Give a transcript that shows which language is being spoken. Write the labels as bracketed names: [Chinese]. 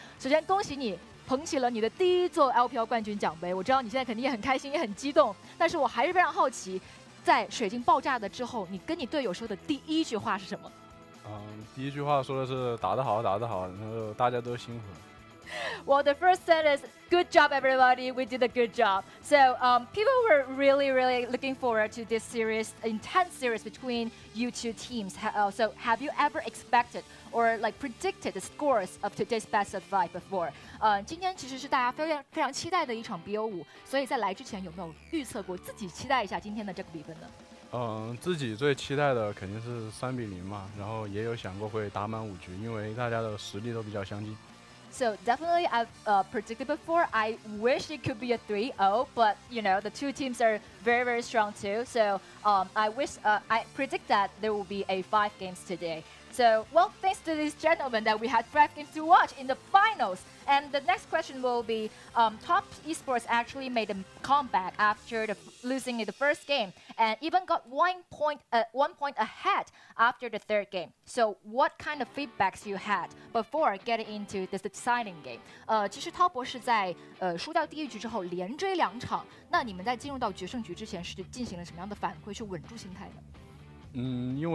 [Chinese] 首先恭喜你。捧起了你的第一座 LPL 冠军奖杯，我知道你现在肯定也很开心，也很激动。但是我还是非常好奇，在水晶爆炸了之后，你跟你队友说的第一句话是什么？第一句话说的是打得好，打得好，然后大家都辛苦。 [English] Well, the first sentence is good job, everybody. We did a good job. So people were really, really looking forward to this series, intense series between you two teams. So have you ever expected or like predicted the scores of today's best of five before? [Chinese] 今天其实是大家非常期待的一场 BO5，所以在来之前有没有预测过自己期待一下今天的这个比分呢？自己最期待的肯定是3-0嘛，然后也有想过会打满5局，因为大家的实力都比较相近。 [English] So definitely I've predicted before. I wish it could be a 3-0, but you know, the two teams are very, very strong too. So I predict that there will be a 5 games today. So, well, thanks to these gentlemen that we had 5 games to watch in the finals. And the next question will be, top esports actually made a comeback after losing in the first game and even got one point ahead after the third game. So what kind of feedbacks you had before getting into this deciding game? [Chinese] 其实滔博士在输掉第一局之后连追两场，那你们在进入到决胜局之前是进行了什么样的反馈去稳住心态呢？